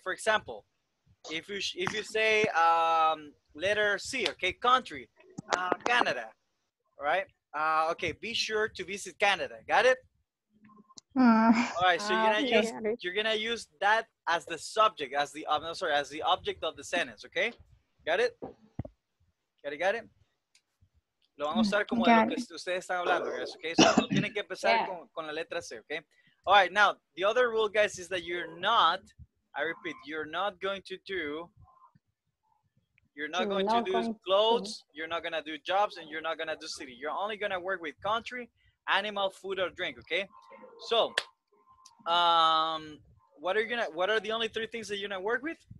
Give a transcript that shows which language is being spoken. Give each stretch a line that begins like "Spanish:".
English: For example, if you say letter C, okay, country, Canada, right? Okay, be sure to visit Canada. Got it? All right, so you're gonna use that as the subject, as the object of the sentence, okay? Got it? Got it?
Spanish: lo van a usar como de lo que ustedes están hablando, guys, okay? So no tienen que empezar con la letra C, okay?
English: All right, now, the other rule, guys, is that you're not, I repeat, you're not going to do, you're not going to do clothes, you're not going to do jobs, and you're not going to do city. You're only going to work with country, animal, food, or drink, okay? So, what are you gonna? What are the only three things that you're gonna work with?